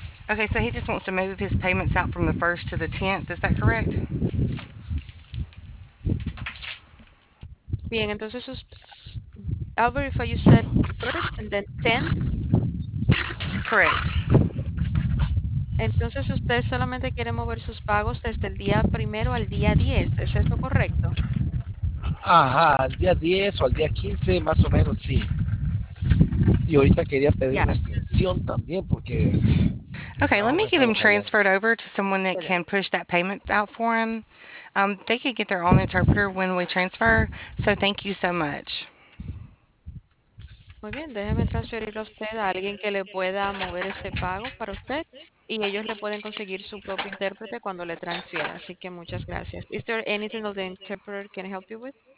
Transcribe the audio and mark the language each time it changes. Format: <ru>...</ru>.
<en>Okay, so he just wants to move his payments out from the 1st to the 10th, is that correct?</en> <es>Bien, entonces,</es> <en>I'll verify you said 1st and then 10th. Correct.</en> <es>Entonces, usted solamente quiere mover sus pagos desde el día primero al día 10, ¿es esto correcto? Ajá, al día 10 o al día 15, más o menos, sí. Y ahorita quería pedir una extensión también porque...</es> <en>Okay, let me get him transferred over to someone that can push that payment out for him. They can get their own interpreter when we transfer. So thank you so much.</en> <es>Muy bien, déjeme transferirlo a usted a alguien que le pueda mover ese pago para usted y ellos le pueden conseguir su propio intérprete cuando le transfiera. Así que muchas gracias.</es> <en>Is there anything that the interpreter can help you with?</en>